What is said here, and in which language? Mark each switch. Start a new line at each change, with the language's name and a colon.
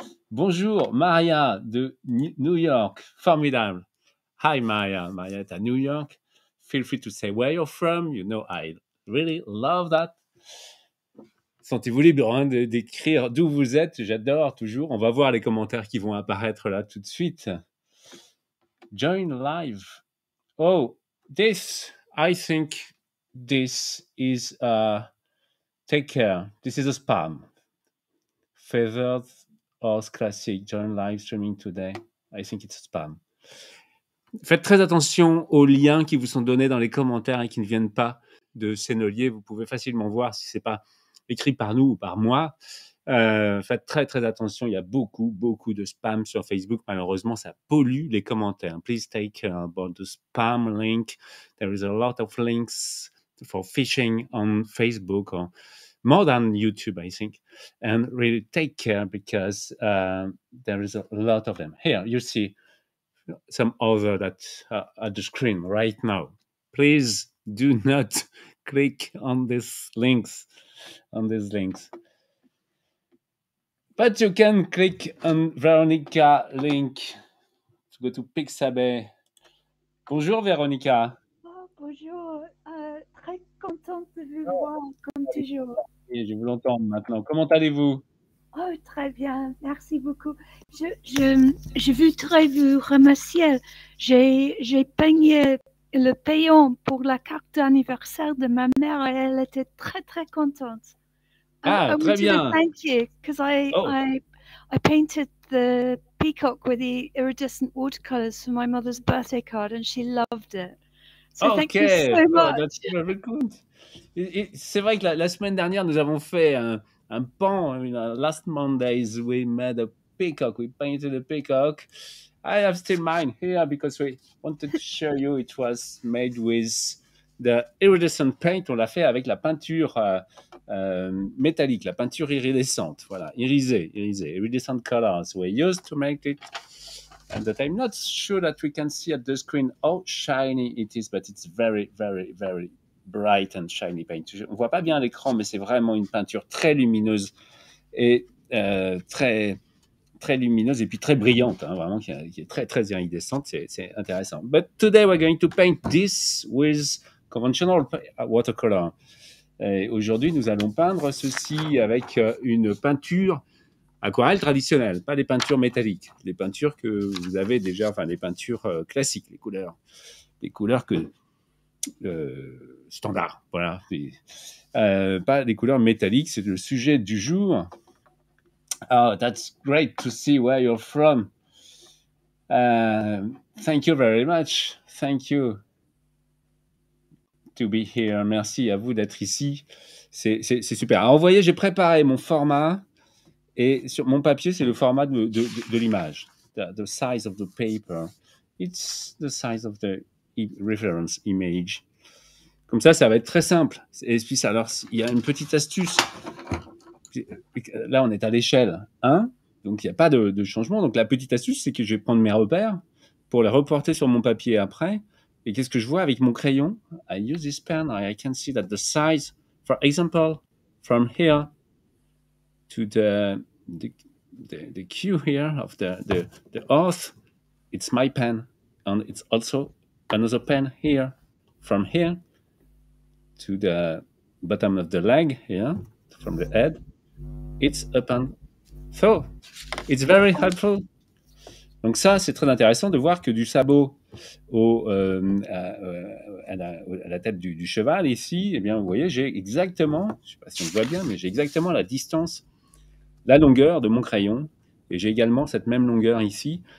French: Bonjour Maria de New York. Formidable.
English: Hi Maria.
French: Maria est à New York.
English: Feel free to say where you're from. You know I really love that.
French: Sentez-vous libre hein, d'écrire d'où vous êtes, j'adore toujours. On va voir les commentaires qui vont apparaître là tout de suite.
English: Join live. Oh, this, I think this is a, take care, this is a spam. Favored Horse Classic, join live streaming today. I think it's a spam.
French: Faites très attention aux liens qui vous sont donnés dans les commentaires et qui ne viennent pas de Sennelier. Vous pouvez facilement voir si ce n'est pas écrit par nous ou par moi. Faites très, très attention. Il y a beaucoup, beaucoup de spam sur Facebook. Malheureusement, ça pollue les commentaires.
English: Please take care about the spam link. There is a lot of links for phishing on Facebook, or more than YouTube, I think. And really take care because there is a lot of them. Here, you see some other that at the screen right now. Please do not click on these links. On these links, but you can click on Veronica link to go to Pixabay.
French: Bonjour Veronica. Oh, bonjour, très contente de vous voir comme toujours. Et je vous l'entends maintenant. Comment allez-vous? Oh, très bien, merci beaucoup. Je voudrais vous remercier. J'ai peigné le payant pour la carte d'anniversaire de ma mère et elle était très très contente. Ah, très bien.
English: Thank you, because I painted the peacock with the iridescent watercolors for my mother's birthday card and she loved it. So okay. Thank you so much. Oh, that's very good.
French: C'est vrai que la semaine dernière nous avons fait un pan.
English: I mean, last Mondays we made a peacock. We painted a peacock. I have still mine here because we wanted to show you it was made with the iridescent paint.
French: On l'a fait avec la peinture métallique, la peinture iridescente. Voilà, irisée.
English: Iridescent colors we used to make it. And that I'm not sure that we can see at the screen how shiny it is, but it's very, very, very bright and shiny paint.
French: On ne voit pas bien l'écran, mais c'est vraiment une peinture très lumineuse et très... très lumineuse et puis très brillante, hein, vraiment, qui est très, très iridescente, c'est intéressant.
English: But today we're going to paint this with conventional watercolor.
French: Et aujourd'hui, nous allons peindre ceci avec une peinture aquarelle traditionnelle, pas les peintures métalliques, les peintures que vous avez déjà, enfin, les peintures classiques, les couleurs que... standard, voilà. Pas les couleurs métalliques, c'est le sujet du jour.
English: Oh, that's great to see where you're from. Thank you very much. Thank you to be here.
French: Merci à vous d'être ici. C'est super. Alors, vous voyez, j'ai préparé mon format. Et sur mon papier, c'est le format de l'image.
English: The size of the paper. It's the size of the reference image.
French: Comme ça, ça va être très simple. Et puis, ça, alors, il y a une petite astuce. Là, on est à l'échelle 1, donc il n'y a pas de changement. Donc, la petite astuce, c'est que je vais prendre mes repères pour les reporter sur mon papier après. Et qu'est-ce que je vois avec mon crayon?
English: I use this pen, I can see that the size, for example, from here to the Q here of the earth, it's my pen. And it's also another pen here, from here to the bottom of the leg here, from the head. It's a pen. So, it's very helpful.
French: Donc ça, c'est très intéressant de voir que du sabot à la tête du cheval ici, eh bien, vous voyez, j'ai exactement, je ne sais pas si on le voit bien, mais j'ai exactement la distance, la longueur de mon crayon, et j'ai également cette même longueur ici.